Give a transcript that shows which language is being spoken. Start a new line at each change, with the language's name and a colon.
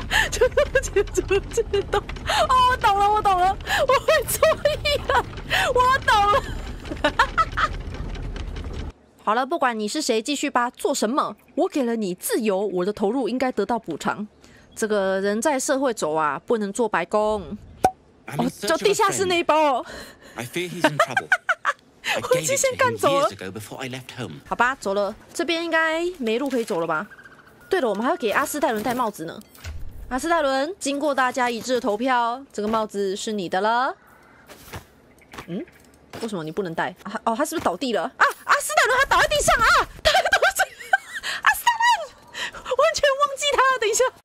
Chinese: 就是懂。哦，我懂了，我懂了，我会注意了，我懂了。好了，不管你是谁，继续吧。做什么？我给了你自由，我的投入应该得到补偿。这个人在社会走啊，不能做白工。哦，就地下室那一包。
English: I fear he's in trouble. I gave it to him years ago before I left home.
Chinese: 好吧，走了，这边应该没路可以走了吧？对了，我们还要给阿斯戴伦戴帽子呢。阿斯戴伦，经过大家一致的投票，这个帽子是你的了。嗯？为什么你不能戴？啊、哦，他是不是倒地了？啊，阿斯戴伦他倒在地上啊！他倒在……阿斯戴伦，完全忘记他了。等一下。